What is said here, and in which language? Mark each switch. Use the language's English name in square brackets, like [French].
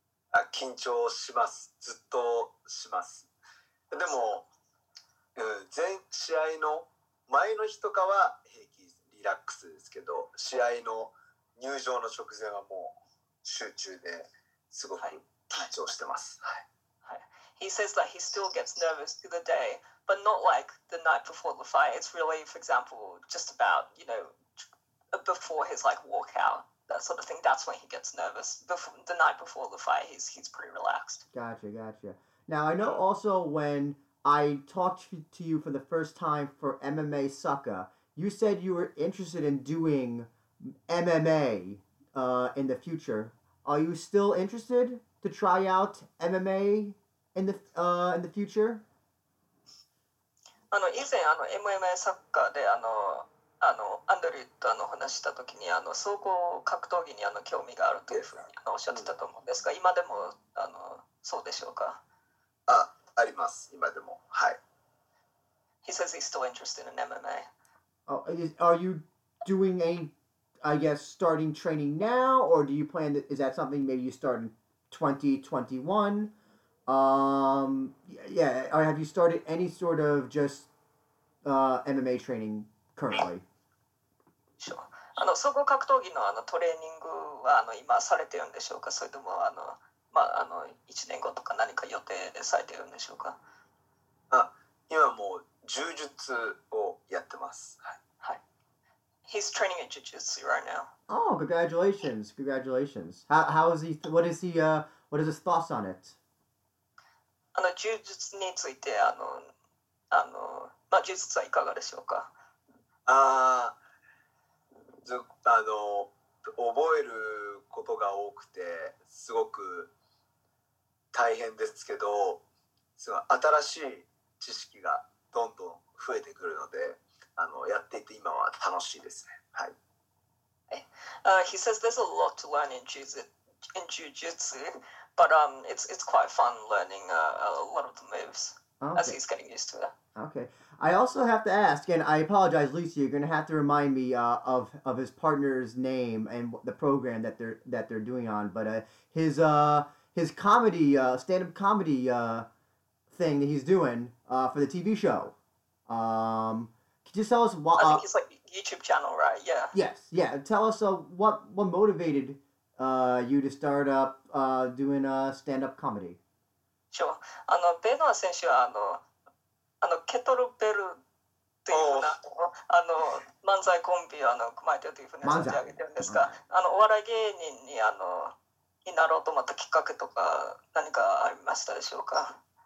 [Japanese] あ、緊張します、ずっとします。でも、うん、全試合の前の日とかは平気、リラックスですけど、試合の入場の直前はもう集中ですごく緊張してます。はい、はい、 [English] He says that he still gets nervous to the day, but not like the night before the fight. It's really, for example, just about, you know, before his like walkout, that sort of thing. That's when he gets nervous. Before, the night before the fight, he's pretty relaxed. Gotcha, gotcha. Now, I know also when I talked to you for the first time for MMA Sucker, you said you were interested in doing MMA in the future. Are you still interested to try out MMA? In the future? [Japanese] あの以前あの MMA サッカーであのあのアンドリューとあの話した時にあの総合格闘技にあの興味があるというふうにあのおっしゃってたと思うんですが、今でもあのそうでしょうか。あ、あります、今でも。はい。 [English] He says he's still interested in MMA. Oh, is, are you doing any, I guess, starting training now? Or do you plan, to, is that something maybe you start in 2021? Yeah, have you started any sort of just MMA training currently? [Japanese] あの総合格闘技 の, あのトレーニングはあの今されてるんでしょうか、それともあの、まあ、あの1年後とか何か予定でされてるんでしょうか。あ、今もう柔術をやってます。はい。 [English] He's training in jiu-jitsu right now. Oh, congratulations. Congratulations. How is he, what is he, what is his thoughts on it? [Japanese] あの柔術についてあの、あの、まあ、柔術はいかがでしょうか。あー、あの覚えることが多くてすごく大変ですけど、すごい新しい知識がどんどん増えてくるので、あのやっていて今は楽しいですね。はい。 [English] He says there's a lot to learn in jiu-jitsu, but it's quite fun learning a lot of the moves. Okay. As he's getting used to it. Okay. I also have to ask, and I apologize, Lisa, you're going to have to remind me of his partner's name and the program that they're doing on, but his comedy, stand-up comedy thing that he's doing for the TV show. Can you tell us what... I think it's like YouTube channel, right? Yeah. Yes, yeah. Tell us what motivated you to start up doing stand-up comedy. Sure. [Japanese] ベノア選手はあのケトルベルっていうふうなあの漫才コンビをあの組まれてるというふうに存じ上げてるんですが、あのお笑い芸人にあのになろうと思ったきっかけとか何かありましたでしょうか。